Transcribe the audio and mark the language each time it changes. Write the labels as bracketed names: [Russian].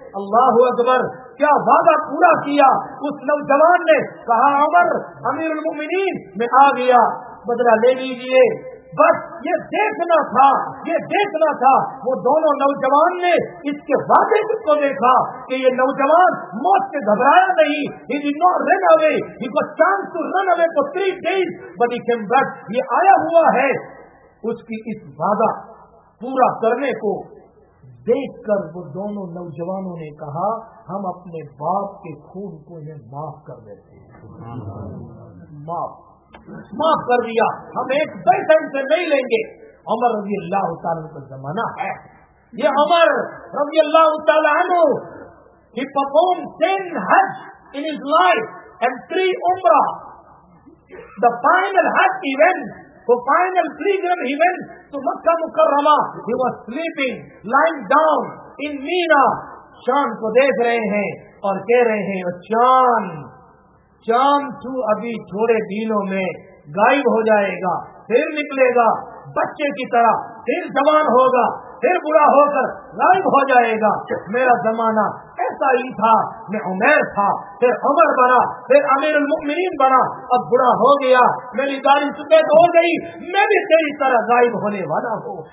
[Urdu] اللہ اکبر, کیا وعدہ پورا کیا اس نوجوان نے. کہا عمر امیر المومنین میں آ گیا, بدلہ لے لیجئے. بس یہ دیکھنا تھا, یہ دیکھنا تھا. وہ دونوں نوجوان نے اس کے وعدے کو دیکھا کہ یہ نوجوان موت سے گھبرایا نہیں. [English] He did not run away. He got chance to run away for 3 days. But he came back. [Urdu] یہ آیا ہوا ہے اس کی اس وعدہ پورا کرنے کو. دیکھ کر وہ دونوں نوجوانوں نے کہا, ہم اپنے باپ کے خون کو انہیں معاف کر دیتے ہیں. معاف معاف کر دیا, ہم ایک بیٹن سے نہیں لیں گے. عمر رضی اللہ تعالیٰ کا زمانہ ہے. یہ عمر رضی اللہ تعالیٰ عنہ, [English] he performed 10 حج in his life and 3 عمرہ. The final حج event, for final pilgrim he went to Makkah Mukarramah. He was sleeping, lying down in Mina. [Urdu] چاند کو دیکھ رہے ہیں اور کہہ رہے ہیں, چاند چاند تو ابھی تھوڑے دنوں میں غائب ہو جائے گا, پھر نکلے گا بچے کی طرح, پھر جوان ہوگا, پھر بڑا ہو کر غائب ہو جائے گا. میرا زمانہ ایسا ہی تھا, میں عمر تھا, پھر عمر بنا, پھر امیر المؤمنین بنا, اب بڑا ہو گیا, میری داڑھی سفید ہو گئی, میں بھی تیری طرح غائب ہونے والا ہوں.